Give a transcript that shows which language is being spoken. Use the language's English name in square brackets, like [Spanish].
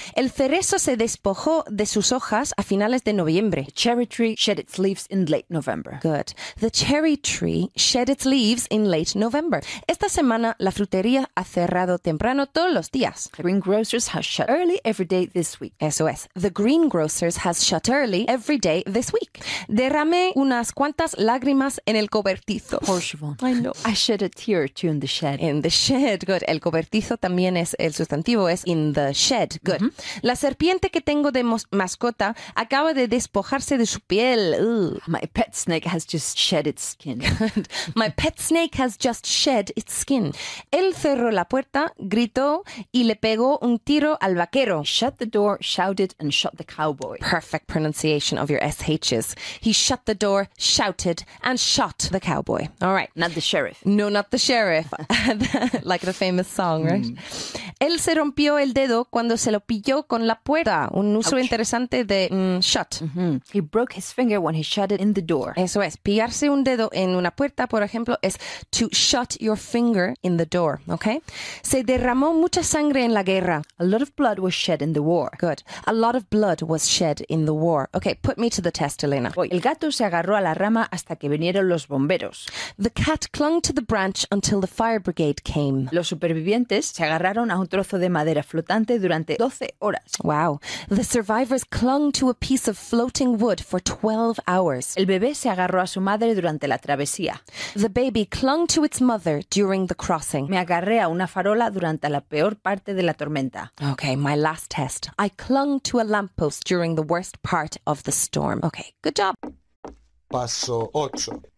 [Spanish] El cerezo se despojó de sus hojas a finales de noviembre. [English] The cherry tree shed its leaves in late November. Good. The cherry tree shed its leaves in late November. [Spanish] Esta semana la frutería ha cerrado temprano todos los días. [English] The greengrocers has shut early every day this week. [Spanish] Eso es. [English] The greengrocers has shut early every day this week. [Spanish] Derramé unas cuantas lágrimas en el cobertizo. Por favor. [English] I know. I shed a tear or two in the shed. In the shed. Good. [Spanish] El cobertizo también es el sustantivo, es [English] in the shed. Good. Mm-hmm. [Spanish] La serpiente que tengo de mascota acaba de despojarse de su piel. [English] My pet snake has just shed its skin. My pet snake has just shed its skin. [Spanish] Él cerró la puerta, gritó y le pegó un tiro al vaquero. [English] He shut the door, shouted, and shot the cowboy. Perfect pronunciation of your SHs. He shut the door, shouted, and shot the cowboy. All right. Not the sheriff. No, not the sheriff. Like the famous song, right? Mm. [Spanish] Él se rompió el dedo cuando se lo pilló con la puerta. Un uso Ouch. Interesante de shut. Mm-hmm. [English] He broke his finger when he shut it in the door. [Spanish] Eso es. Pillarse un dedo en una puerta, por ejemplo, es [English] to shut your finger in the door. [Spanish] Okay? Se derramó mucha sangre en la guerra. [English] A lot of blood was shed in the war. Good. A lot of blood was shed in the war. Okay, put me to the test, Elena. [Spanish] Voy. El gato se agarró a la rama hasta que vinieron los bomberos. [English] The cat clung to the branch until the fire brigade came. [Spanish] Los supervivientes se agarraron a un trozo de madera flotante durante 12 horas. [English] Wow. The survivors clung to a piece of floating wood for 12 hours. hours. [Spanish] El bebé se agarró a su madre durante la travesía. [English] The baby clung to its mother during the crossing. [Spanish] Me agarré a una farola durante la peor parte de la tormenta. [English] Okay, my last test. I clung to a lamppost during the worst part of the storm. Okay, good job. [Spanish] Paso 8.